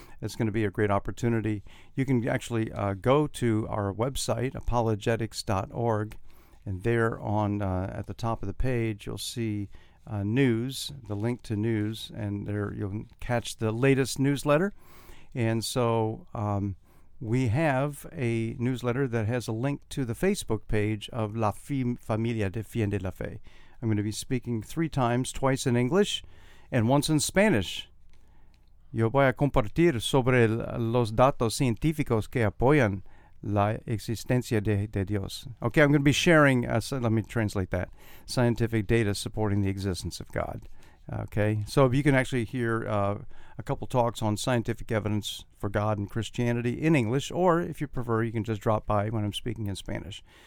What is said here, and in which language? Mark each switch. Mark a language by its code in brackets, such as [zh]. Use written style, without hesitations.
[en] It's going to be a great opportunity. You can actually go to our website, apologetics.org, and there on at the top of the page, you'll see news, the link to news, and there you'll catch the latest newsletter. And so we have a newsletter that has a link to the Facebook page of La Familia Defiende la Fe. I'm going to be speaking three times, twice in English and once in Spanish. [es] Yo voy a compartir sobre los datos científicos que apoyan la existencia de Dios. [en] Okay, I'm going to be sharing, let me translate that, scientific data supporting the existence of God. Okay, so you can actually hear a couple talks on scientific evidence for God and Christianity in English, or if you prefer, you can just drop by when I'm speaking in Spanish.